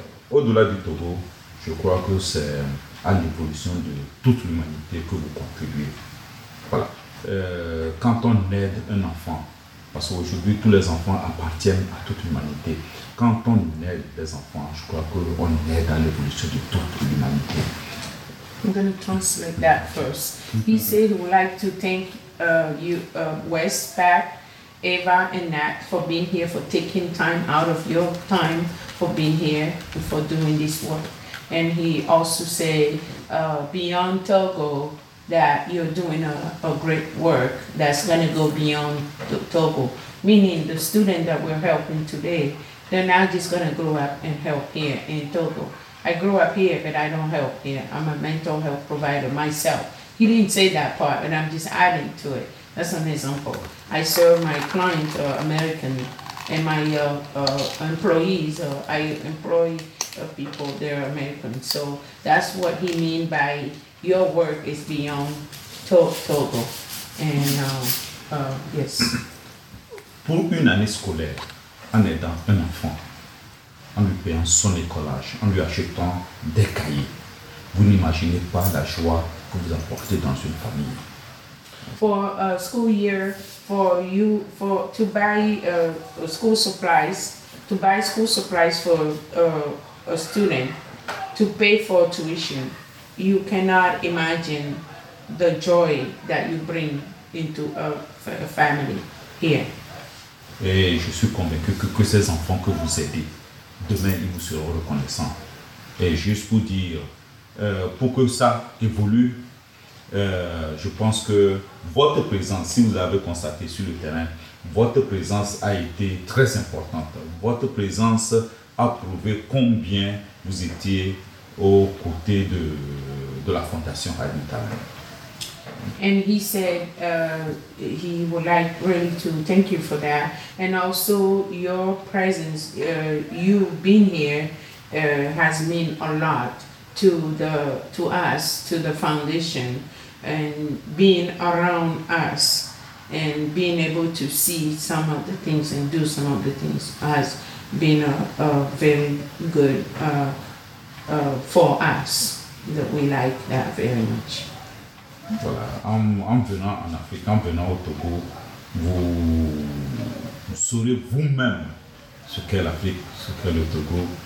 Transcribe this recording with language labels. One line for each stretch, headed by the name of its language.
French: Au-delà du Togo, je crois que c'est à l'évolution de toute l'humanité que vous contribuez. Voilà. Quand on aide un enfant, parce qu'aujourd'hui tous les enfants appartiennent à toute l'humanité, quand on aide les enfants, je crois qu'on aide à l'évolution de toute l'humanité.
English: I'm going to translate that first. He said he would like to thank Wes, Pat, Eva, and Nat for being here, for taking time out of your time for being here, for doing this work. And he also said, beyond Togo, that you're doing a great work that's going to go beyond Togo, meaning the student that we're helping today, they're not just going to grow up and help here in Togo. I grew up here, but I don't help here. I'm a mental health provider myself. He didn't say that part, but I'm just adding to it. That's an example. I serve my clients, American, and my employees. I employ people, they're American. So that's what he mean by your work is beyond Togo. And yes.
French: Pour une année scolaire, en aidant un enfant, en lui payant son écolage, en lui achetant des cahiers, vous n'imaginez pas la joie que vous apportez dans une famille.
English: For a school year, to buy school supplies for a student, to pay for tuition, you cannot imagine the joy that you bring into a family here.
French: Et je suis convaincu que ces enfants que vous aidez, demain ils vous seront reconnaissants. Et juste pour dire, pour que ça évolue, Je pense que votre présence, si vous l'avez constaté sur le terrain, votre présence a été très importante. Votre présence a prouvé combien vous étiez aux côtés de la Fondation Humanitarian.
English: And he said he would like really to thank you for that. And also your presence, you being here, has meant a lot to us, to the foundation, and being around us and being able to see some of the things and do some of the things has been a very good for us, that we like that very much.
French: Voilà, en venant en Afrique, en venant au Togo, vous saurez vous-même ce qu'est l'Afrique, ce qu'est le Togo.